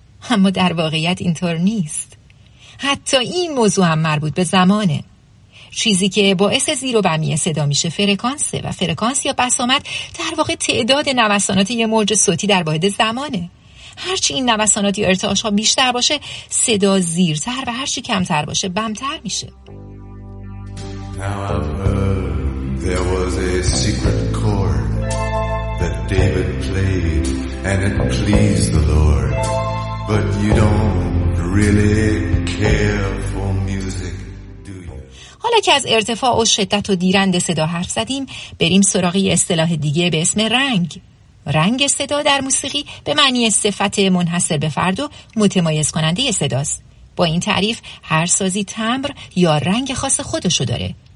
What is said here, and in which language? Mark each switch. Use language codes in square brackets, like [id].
[fa] اما در واقعیت اینطور نیست. حتی این موضوع هم مربوط به زمانه. چیزی که باعث زیر و بمی صدا میشه فرکانسه و فرکانس یا بسامد در واقع تعداد نوسانات یه موج صوتی در واحد زمانه. هرچی این نوسانات یا ارتعاش ها بیشتر باشه، صدا زیرتر و هرچی کمتر باشه بمتر میشه. [en] Now I've heard there was a secret chord that David played and it pleased the Lord. But you don't really care for music, do you? [fa] حالا که از ارتفاع و شدت و دیرند صدا حرف زدیم، بریم سراغ یه اصطلاح دیگه به اسم رنگ. رنگ صدا در موسیقی به معنی صفت منحصر به فرد و متمایز کننده صداست. با این تعریف هر سازی تمبر یا رنگ خاص خودشو داره.